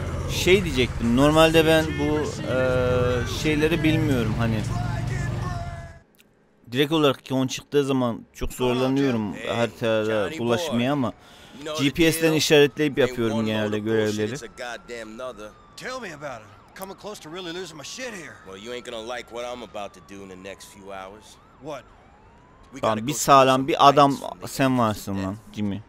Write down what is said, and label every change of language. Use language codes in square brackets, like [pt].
[tr] Şey diyecektim, normalde ben bu şeyleri bilmiyorum, hani direkt olarak ki on çıktığı zaman çok zorlanıyorum haritada ulaşmaya, ama GPS'ten işaretleyip yapıyorum genelde görevleri. [en] Tell me about it. Coming close to really losing my shit here. Well, you ain't gonna like what I'm about to do in the next few hours. What? [tr] Lan bir sağlam bir adam sen varsın lan Jimmy.